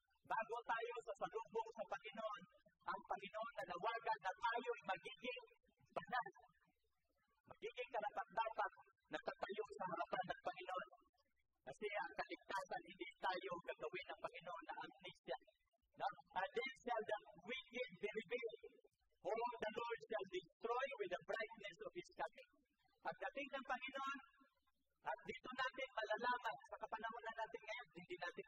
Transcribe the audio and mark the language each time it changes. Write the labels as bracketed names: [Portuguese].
[Filipino] Bago tayo sa salubong sa Panginoon, ang Panginoon na nawagan na tayo ay magiging banal. Magiging karapat-dapat na tatayo sa harapan ng Panginoon. Kasi ang kaligtasan, hindi tayo gagawin ng Panginoon na amnesia. [English] And they shall the wicked be revealed, whom the Lord shall destroy with the brightness of His coming. [Filipino] Pagdating ng Panginoon, at dito natin malalaman sa kapanahonan natin ngayon, hindi na